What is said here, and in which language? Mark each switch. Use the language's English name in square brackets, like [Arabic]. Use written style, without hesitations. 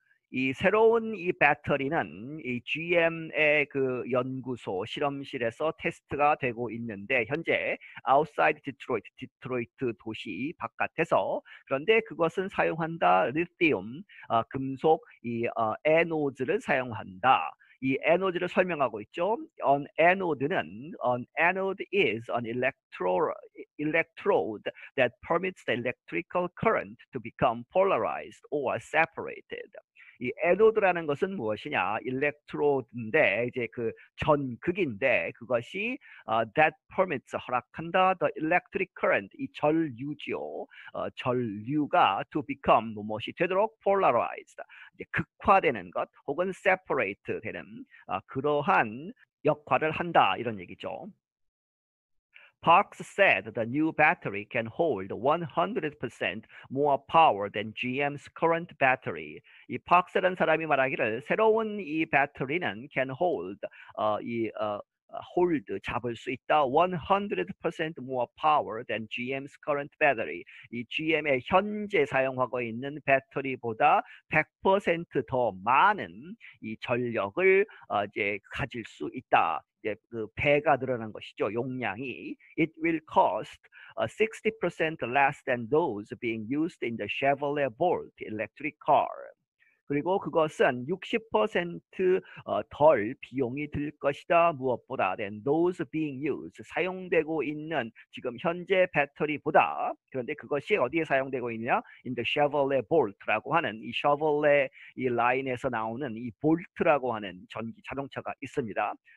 [Korean] 이 새로운 이 배터리는 이 GM의 그 연구소 실험실에서 테스트가 되고 있는데 현재 [English] outside Detroit, [Korean] 디트로이트 도시 바깥에서 그런데 그것은 사용한다 리튬 금속 이 애노드를 사용한다. 이 애노드를 설명하고 있죠. [English] An anode는 an anode is an electrode that permits the electrical current to become polarized or separated. [Korean] 이 애노드라는 것은 무엇이냐? 일렉트로드인데 이제 그 전극인데 그것이 [English] that permits [Korean] 허락한다 [English] the electric current [Korean] 이 전류죠. 전류가 [English] to become [Korean] 무엇이 되도록 polarized 이제 극화되는 것 혹은 separate 되는 그러한 역할을 한다 이런 얘기죠. [English] Parks said the new battery can hold 100% more power than GM's current battery. [Korean] 이 Parks라는 사람이 말하기를 새로운 이 배터리는 [English] can hold [Korean] 이 [English] hold [Korean] 잡을 수 있다. [English] 100% more power than GM's current battery. [Korean] 이 GM의 현재 사용하고 있는 배터리보다 100% 더 많은 이 전력을 이제 가질 수 있다. 이제 그 배가 늘어난 것이죠. 용량이. [English] It will cost 60% less than those being used in the Chevrolet Bolt electric car. [Korean] 그리고 그것은 60% 덜 비용이 들 것이다. 무엇보다 [English] than those being used. [Korean] 사용되고 있는 지금 현재 배터리보다. 그런데 그것이 어디에 사용되고 있냐? In the Chevrolet Bolt라고 하는 이 Chevrolet 이 라인에서 나오는 이 Bolt라고 하는 전기 자동차가 있습니다.